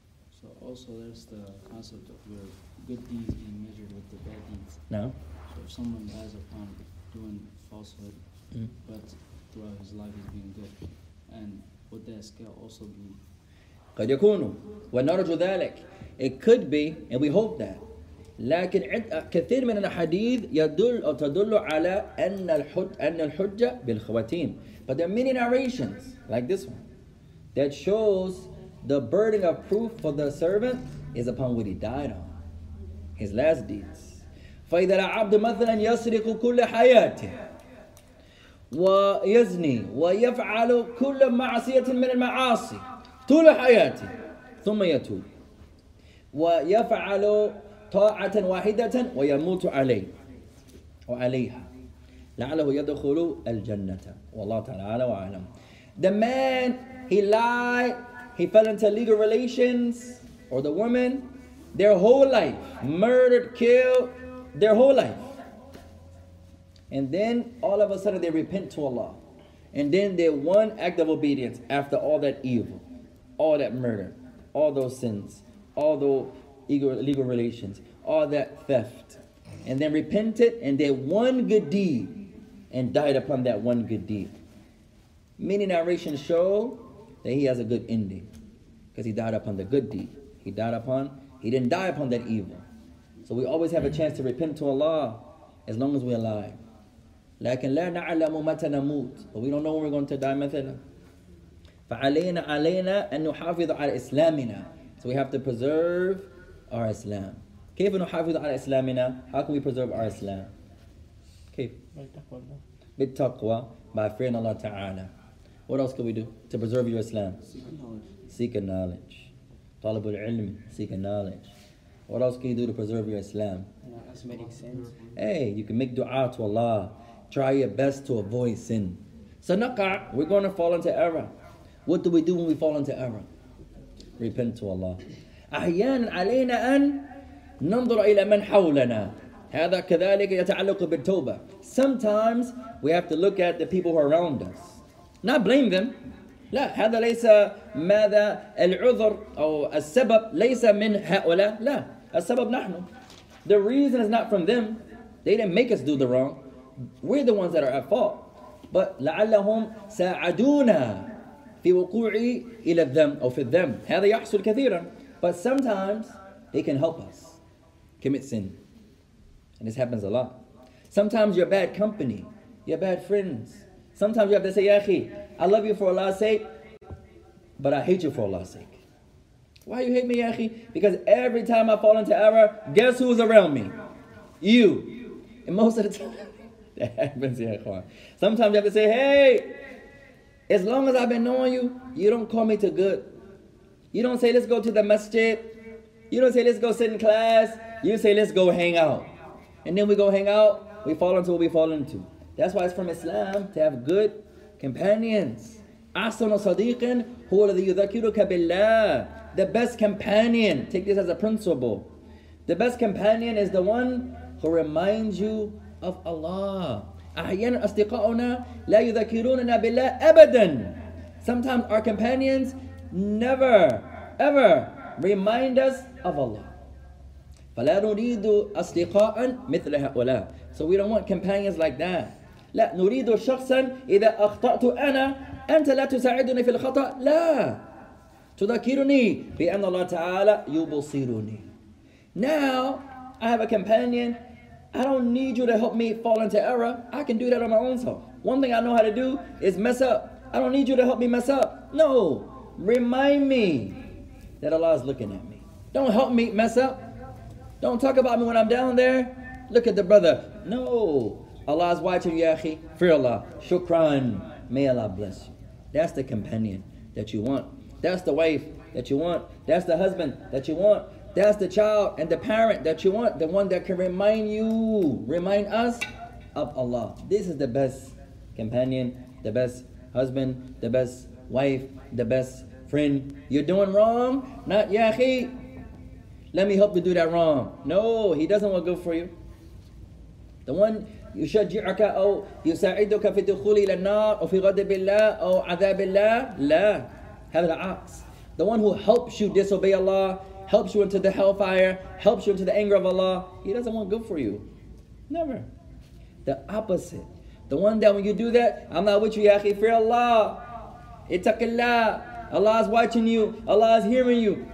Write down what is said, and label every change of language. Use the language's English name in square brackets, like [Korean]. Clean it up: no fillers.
[English] So, also there's the concept of your good deeds being measured with the bad deeds. No. So if someone dies upon doing falsehood, but throughout his life he's being good, and would that scale also be? [Arabic] قد يكون ونرجو ذلك. [English] It could be, and we hope that. [Arabic] لكن كثير من الحديث يدل أو تدل على أن الحج أن الحجة بالخواتيم. [English] But there are many narrations like this one that shows the burden of proof for the servant is upon what he died on. His last deeds. [Arabic] فإذا العبد مثلا يسرق كل حياته ويزني ويفعل كل معصية من المعاصي طول حياته ثم يتوب ويفعل طاعة واحدة ويموت عليه وعليها لعله يدخل الجنة والله تعالى وعلم. [English] The man, he lied, he fell into legal relations, or the woman, their whole life, murdered, killed, their whole life. And then all of a sudden they repent to Allah. And then their one act of obedience after all that evil, all that murder, all those sins, all those legal relations, all that theft. And then repented and their one good deed and died upon that one good deed. Many narrations show that he has a good ending because he died upon the good deed. He didn't die upon that evil. So we always have a chance to repent to Allah as long as we're alive. [Arabic] لكن لا نعلم متى نموت. [English] But we don't know when we're going to die مثلا. [Arabic] فعلينا علينا أن نحافظ على إسلامنا. [English] So we have to preserve our Islam. [Arabic] كيف نحافظ على إسلامنا? [English] How can we preserve our Islam? [Arabic] كيف? بالتقوى. [English] By fearing Allah Ta'ala. What else can we do to preserve your Islam? Seek knowledge. [Arabic] طالب العلم. [English] Seek knowledge. What else can you do to preserve your Islam? That's making sense. Hey, you can make dua to Allah. Try your best to avoid sin. So naqa, we're going to fall into error. What do we do when we fall into error? Repent to Allah. [Arabic] أحيانا علينا أن ننظر إلى من حولنا. هذا كذلك يتعلق بالتوبة. [English] Sometimes we have to look at the people who are around us. Not blame them. [Arabic] لا هذا ليس ماذا العذر أو السبب ليس من هؤلاء. لا السبب نحن. [English] The reason is not from them. They didn't make us do the wrong. We're the ones that are at fault. But [Arabic] لعلهم ساعدونا في وقوعي إلى الذنب أو في الذنب. هذا يحصل كثيرا. [English] But sometimes they can help us commit sin. And this happens a lot. Sometimes you're bad company. You're bad friends. Sometimes you have to say, Ya akhi, I love you for Allah's sake, but I hate you for Allah's sake. Why you hate me, Ya akhi? Because every time I fall into error, guess who's around me? You. And most of the time, that happens, Ya akhi. Sometimes you have to say, hey, as long as I've been knowing you, you don't call me to good. You don't say, let's go to the masjid. You don't say, let's go sit in class. You say, let's go hang out. And then we go hang out, we fall into what we fall into. That's why it's from Islam to have good companions. [Arabic] Ahsanu sadiqin huwa alladhi yudhakiruka billah. [English] The best companion, take this as a principle. The best companion is the one who reminds you of Allah. [Arabic] أحيانا أصدقاؤنا لا يذكروننا بالله أبدا. [English] Sometimes our companions never, ever remind us of Allah. [Arabic] فلا نريد أصدقاء مثل هؤلاء. [English] So we don't want companions like that. [Arabic] لا نريد شخصا إذا أخطأت أنا أنت لا تساعدني في الخطأ. لا تذكرني بأن الله تعالى يبصرني. [English] Now I have a companion. I don't need you to help me fall into error. I can do that on my own self. One thing I know how to do is mess up. I don't need you to help me mess up. No. Remind me that Allah is looking at me. Don't help me mess up. Don't talk about me when I'm down there. Look at the brother. No. Allah is watching you, akhi. Fear Allah. Shukran. May Allah bless you. That's the companion that you want. That's the wife that you want. That's the husband that you want. That's the child and the parent that you want, the one that can remind you, remind us of Allah. This is the best companion, the best husband, the best wife, the best friend. You're doing wrong? Not, Ya akhi, let me help you do that wrong. No, he doesn't want good for you. The one, [Arabic] يُشَجِعُكَ أَوْ يُسَعِدُكَ فِي دُخُولِ إِلَى النَّارِ أَوْ فِي غَضَبِ اللَّهِ أَوْ عَذَابِ اللَّهِ لَا. [English] Have the ox. The one who helps you disobey Allah, helps you into the hellfire, helps you into the anger of Allah, he doesn't want good for you. Never. The opposite. The one that when you do that, I'm not with you, Ya akhi, fear Allah. Ittaqillah. Allah is watching you. Allah is hearing you.